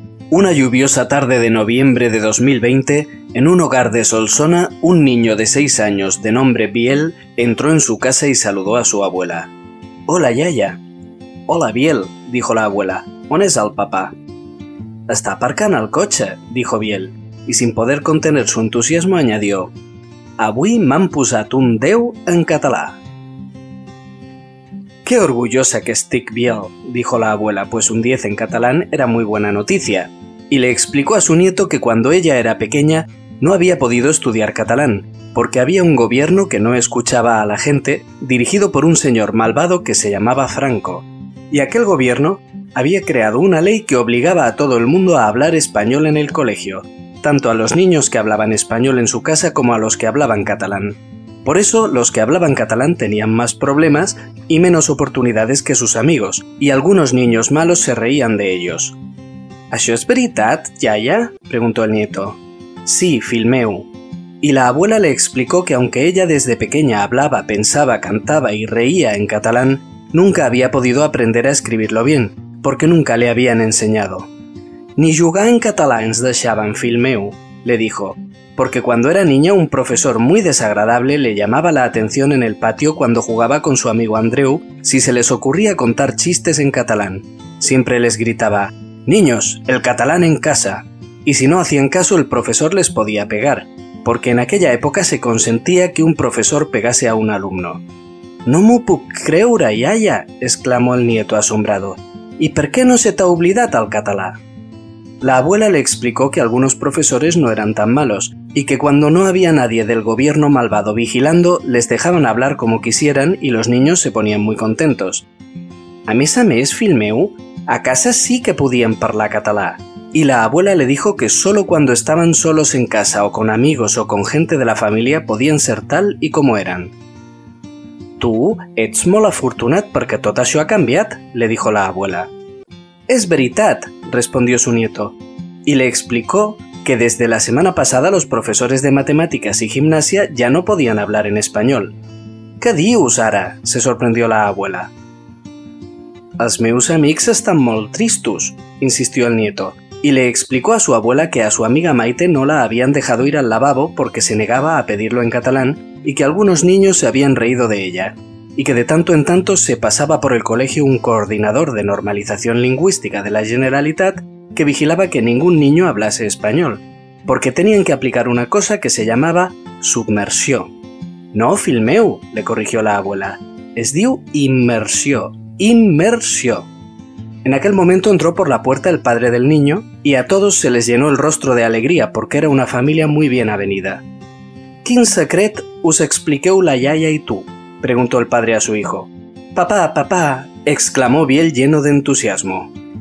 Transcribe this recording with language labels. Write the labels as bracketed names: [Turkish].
[Spanish] Una lluviosa tarde de noviembre de 2020, en un hogar de Solsona, un niño de 6 años de nombre Biel entró en su casa y saludó a su abuela. «Hola, Yaya». «Hola, Biel», dijo la abuela. [Catalan] «¿On és el papá?». «Està aparcant el cotxe», [Spanish] dijo Biel, y sin poder contener su entusiasmo añadió: [Catalan] «Avui m'han posat un 10 en català». «Qué orgullosa que estic, [Spanish] Biel», dijo la abuela, pues un 10 en catalán era muy buena noticia. Y le explicó a su nieto que cuando ella era pequeña no había podido estudiar catalán, porque había un gobierno que no escuchaba a la gente, dirigido por un señor malvado que se llamaba Franco. Y aquel gobierno había creado una ley que obligaba a todo el mundo a hablar español en el colegio, tanto a los niños que hablaban español en su casa como a los que hablaban catalán. Por eso, los que hablaban catalán tenían más problemas y menos oportunidades que sus amigos, y algunos niños malos se reían de ellos. [Catalan] «¿Això és veritat, Yaya?», [Spanish] preguntó el nieto. [Catalan] «Sí, fill meu». [Spanish] Y la abuela le explicó que aunque ella desde pequeña hablaba, pensaba, cantaba y reía en catalán, nunca había podido aprender a escribirlo bien, porque nunca le habían enseñado. [Catalan] «Ni jugar en català ens deixaven, fill meu», [Spanish] le dijo, porque cuando era niña un profesor muy desagradable le llamaba la atención en el patio cuando jugaba con su amigo Andreu si se les ocurría contar chistes en catalán. Siempre les gritaba: «Niños, el catalán en casa». Y si no hacían caso, el profesor les podía pegar, porque en aquella época se consentía que un profesor pegase a un alumno. [Catalan] «No m'ho puc creure, iaia», [Spanish] exclamó el nieto asombrado. [Catalan] «¿Y per què no se t'ha oblidat el català?». [Spanish] La abuela le explicó que algunos profesores no eran tan malos, y que cuando no había nadie del gobierno malvado vigilando, les dejaban hablar como quisieran y los niños se ponían muy contentos. [Catalan] «A més a més, fill meu, a casa sí que podían parlar català». [Spanish] Y la abuela le dijo que solo cuando estaban solos en casa o con amigos o con gente de la familia podían ser tal y como eran. [Catalan] «Tú, ets molt afortunat perquè tot això ha canviat», [Spanish] le dijo la abuela. [Catalan] «Es veritat», [Spanish] respondió su nieto, y le explicó que desde la semana pasada los profesores de matemáticas y gimnasia ya no podían hablar en español. [Catalan] «¿Qué dius ara?», [Spanish] se sorprendió la abuela. [Catalan] «Els meus amics estan molt tristos», [Spanish] insistió el nieto, y le explicó a su abuela que a su amiga Maite no la habían dejado ir al lavabo porque se negaba a pedirlo en catalán y que algunos niños se habían reído de ella, y que de tanto en tanto se pasaba por el colegio un coordinador de normalización lingüística de la Generalitat que vigilaba que ningún niño hablase español, porque tenían que aplicar una cosa que se llamaba submersió. [Catalan] «No, fill meu», [Spanish] le corrigió la abuela. [Catalan] «Es diu immersió, immersió». [Spanish] En aquel momento entró por la puerta el padre del niño y a todos se les llenó el rostro de alegría porque era una familia muy bien avenida. [Catalan] «¿Quin secret us expliqueu la iaia i tu?», [Spanish] preguntó el padre a su hijo. «Papá, papá», exclamó Biel lleno de entusiasmo.